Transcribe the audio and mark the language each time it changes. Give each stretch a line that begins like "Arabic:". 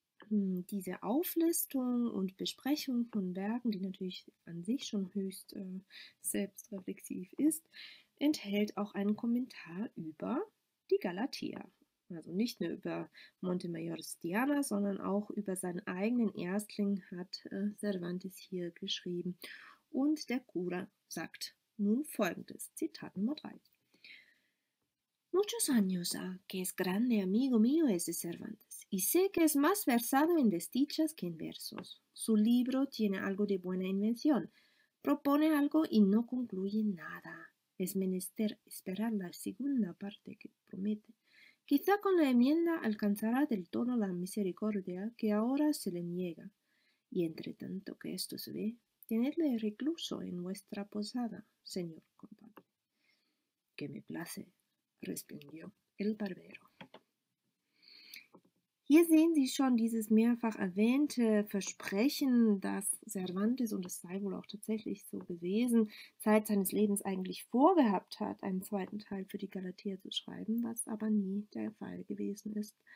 German: Diese Auflistung und Besprechung von Werken, die natürlich an sich schon höchst selbstreflexiv ist, enthält auch einen Kommentar über die Galatea. Also nicht nur über Montemayor's Diana, sondern auch über seinen eigenen Erstling hat Cervantes hier geschrieben. Und der Cura sagt nun folgendes, Zitat Nummer 3.
Spanish: Muchos años ha, que es grande amigo mío ese Cervantes, y sé que es más versado en desdichas que en versos. Su libro tiene algo de buena invención, propone algo y no concluye nada. Es menester esperar la segunda parte que promete. Quizá con la enmienda alcanzará del todo la misericordia que ahora se le niega. Y entre tanto que esto se ve, tenedle recluso en vuestra posada, señor compadre. Que me place, respondió el barbero.
German: Hier sehen Sie schon dieses mehrfach erwähnte Versprechen, dass Cervantes, und es sei wohl auch tatsächlich so gewesen, Zeit seines Lebens eigentlich vorgehabt hat, einen zweiten Teil für die Galatea zu schreiben, was aber nie der Fall gewesen ist.